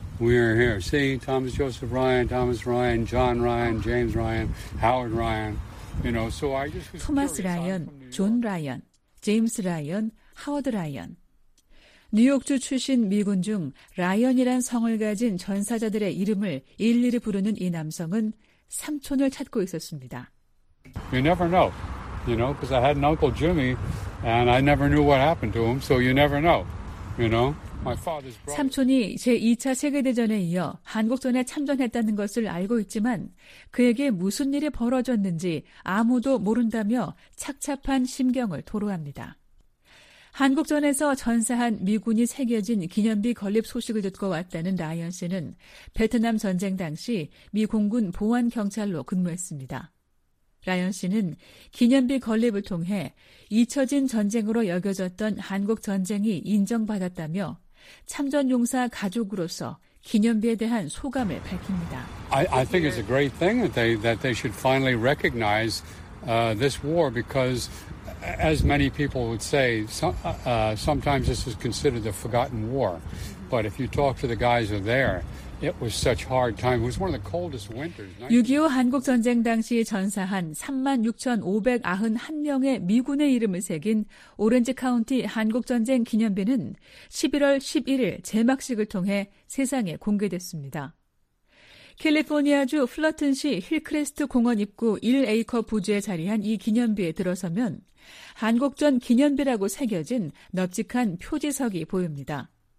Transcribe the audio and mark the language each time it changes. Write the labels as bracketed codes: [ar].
[en] We are here. See, Thomas Joseph Ryan, Thomas Ryan, John Ryan, James Ryan, Howard Ryan. You know, so I just. [ko] 토마스 라이언, 존 라이언, 제임스 라이언, 하워드 라이언. 뉴욕주 출신 미군 중 라이언이란 성을 가진 전사자들의 이름을 일일이 부르는 이 남성은 삼촌을 찾고 있었습니다. [en] You never know, you know, because I had an uncle Jimmy, and I never knew what happened to him. So you never know, you know. [ko] 삼촌이 제2차 세계대전에 이어 한국전에 참전했다는 것을 알고 있지만 그에게 무슨 일이 벌어졌는지 아무도 모른다며 착잡한 심경을 토로합니다. 한국전에서 전사한 미군이 새겨진 기념비 건립 소식을 듣고 왔다는 라이언 씨는 베트남 전쟁 당시 미 공군 보안경찰로 근무했습니다. 라이언 씨는 기념비 건립을 통해 잊혀진 전쟁으로 여겨졌던 한국전쟁이 인정받았다며 참전용사 가족으로서 기념비에 대한 소감을 밝힙니다. [en] I think it's a great thing that they should finally recognize this war because as many people would say sometimes this is considered the forgotten war. But if you talk to the guys who are there, it was such hard time. It was one of the coldest winters. [ko] 6.25 한국 전쟁 당시 전사한 36,591명의 미군의 이름을 새긴 오렌지 카운티 한국 전쟁 기념비는 11월 11일 제막식을 통해 세상에 공개됐습니다. 캘리포니아주 플러튼시 힐크레스트 공원 입구 1에이커 부지에 자리한 이 기념비에 들어서면 한국전 기념비라고 새겨진 넓직한 표지석이 보입니다.